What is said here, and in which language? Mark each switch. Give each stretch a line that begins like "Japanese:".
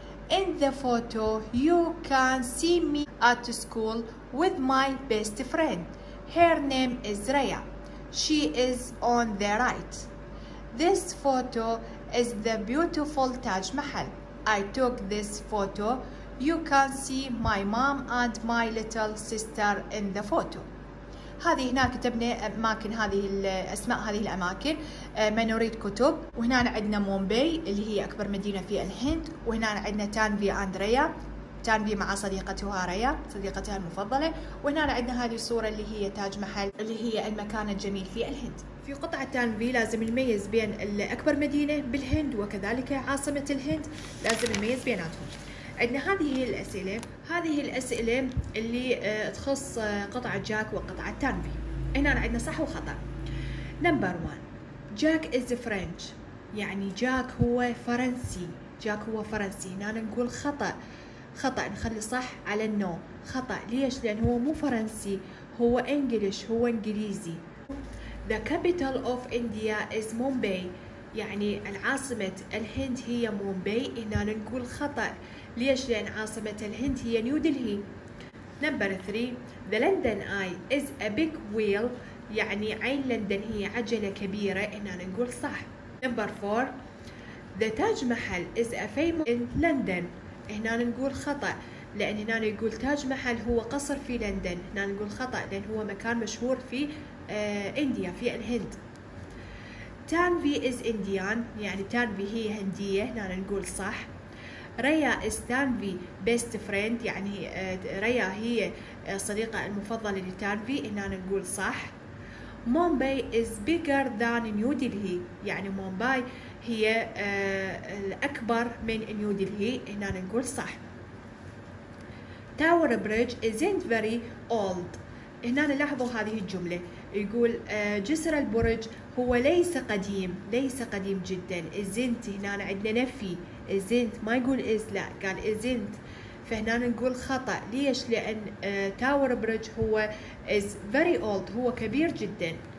English: In the photo, you can see me at school with my best friend. Her name is Raya. She is on the right. This photo is the beautiful Taj Mahal. I took this photo. You can see my mom and my little sister in the photo.
Arabic: هذه هنا كتبنا أماكن هذه الأسماء هذه الأماكن منوريت كتب وهنا عندنا مومباي اللي هي أكبر مدينة في الهند وهنا عندنا تانفي أندريا تانفي مع صديقتها ريا صديقتها المفضلة وهنا عندنا هذه الصورة اللي هي تاج محل اللي هي المكان الجميل في الهند. في قطعة تانفي لازم نميز بين الأكبر مدينة بالهند وكذلك عاصمة الهند لازم نميز بيناتهم. عندنا هذه هي الأسئلة اللي تخص قطعة جاك وقطعة تانفي. هنا عندنا صح وخطأ.
English: Number one, Jack is French.
Arabic: يعني جاك هو فرنسي. هنا نقول خطأ. نخلي صح على النو. خطأ ليش؟ لأن هو مو فرنسي. هو إنجليش. هو إنجليزي.
English: The capital of India is Mumbai.
Arabic: يعني العاصمة الهند هي مومباي. هنا نقول خطأ. ليش؟ لأن عاصمة الهند هي نيو دلهي.
English: Number three, the London Eye is a big wheel.
Arabic: يعني عين لندن هي عجلة كبيرة. هنا نقول صح.
English: Number four, the Taj Mahal is a famous in London.
Arabic: هنا نقول خطأ. لأن هنا يقول تاج محل هو قصر في لندن. هنا نقول خطأ لأن هو مكان مشهور في إنديا في الهند.
English: Tanvi is Indian.
Arabic: يعني Tanvi هي هندية. هنا نقول صح.
English: Riya is Tanvi best friend.
Arabic: يعني ريا هي صديقة المفضلة لتانفي. هنا نقول صح.
English: Mumbai is bigger than New Delhi.
Arabic: يعني Mumbai هي الأكبر من New Delhi. هنا نقول صح.
English: Tower Bridge isn't very old.
Arabic: هنا نلاحظوا هذه الجملة. يقول جسر البرج هو ليس قديم. جدا. isn't هنا عندنا نفي. isn't ما يقول is لا قال isn't. فهنا نقول خطأ. ليش؟ لأن تاور برج هو
English: is very old.
Arabic: هو كبير جدا.